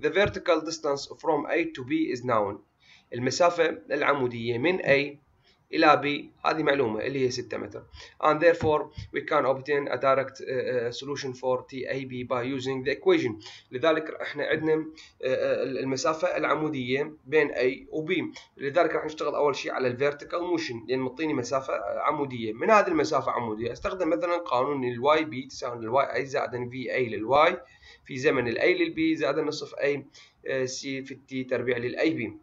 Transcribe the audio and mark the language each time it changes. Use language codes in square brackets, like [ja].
[en] The vertical distance from A to B is known. [ar] المسافة العمودية من A إلى B هذه معلومة اللي هي 6 متر. [en] And therefore we can obtain a direct solution for TAB by using the equation. [ar] لذلك احنا عندنا المسافة العمودية بين A و B. لذلك راح نشتغل أول شيء على [en] vertical motion، [ar] لأن مطيني مسافة عمودية. من هذه المسافة العمودية استخدم مثلا قانون الـ YB تساوي الـ YI زائد VA للـ Y في زمن الـ A للـ B زائد نصف A C في T تربيع للـ AB.